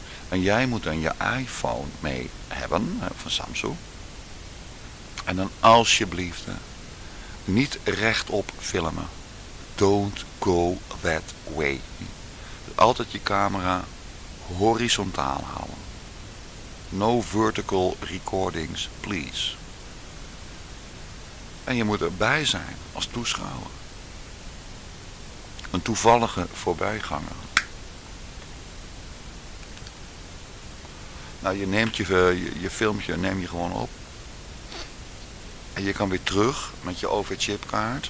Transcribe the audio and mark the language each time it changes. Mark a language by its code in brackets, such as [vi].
[nl] En jij moet dan je iPhone mee hebben van Samsung. En dan alsjeblieft niet rechtop filmen. [en] Don't go that way. [nl] Altijd je camera horizontaal houden. [en] No vertical recordings, please. [nl] En je moet erbij zijn als toeschouwer. Een toevallige voorbijganger. Nou, je neemt je filmpje neem je gewoon op. En je kan weer terug met je OV-chipkaart.